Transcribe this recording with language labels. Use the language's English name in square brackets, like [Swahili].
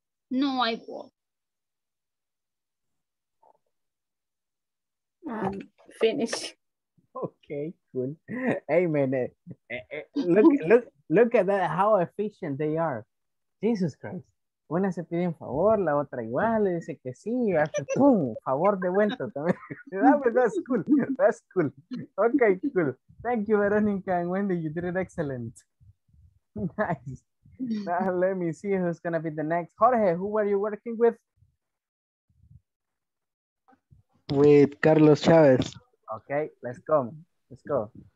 [English] No, I won't. Finish. Okay, cool. Hey, man, look at that, how efficient they are. Jesus Christ. [Spanish] Una se pide un favor, la otra igual, le dice que sí, y hace pum, favor de vuelta también. [English] That's cool, that's cool. Okay, cool. Thank you, Veronica and Wendy, you did it excellent. Nice. Now let me see who's going to be the next. Jorge, who were you working with? With Carlos Chavez. Okay, let's go. Let's go.